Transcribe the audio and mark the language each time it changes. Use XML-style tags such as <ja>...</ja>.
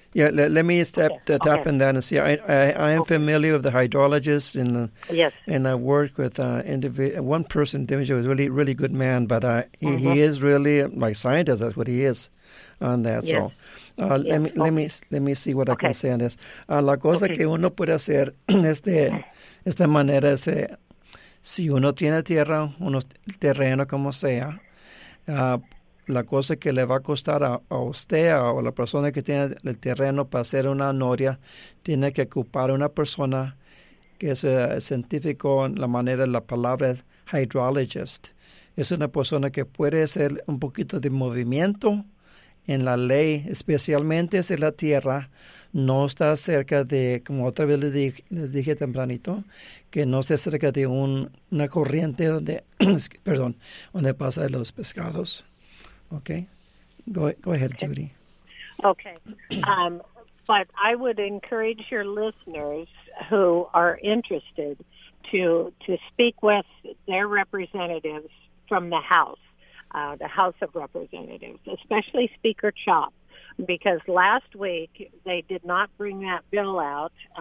<en>Yeah, let me step tap in that and see. I am familiar with the hydrologist, and and I work with one person. Dimitri was a really, really good man, but he is really like scientist. That's what he is on that. Yes. So. Let me see what I can say on this.</en> <es>La cosa que uno puede hacer es de esta manera es de, si uno tiene tierra, uno terreno como sea, la cosa que le va a costar a usted o a la persona que tiene el terreno para hacer una noria, tiene que ocupar una persona que es científico en la manera, la palabra es hydrologist. Es una persona que puede hacer un poquito de movimiento en la ley, especialmente si la tierra no está cerca de, como otra vez les dije tempranito, que no esté cerca de una corriente donde, perdón, donde pasa los pescados.</es> <en>Okay. Go ahead, okay. Judy. Okay. But I would encourage your listeners who are interested to speak with their representatives from the House. The House of Representatives, especially Speaker Chop, because last week they did not bring that bill out.</en>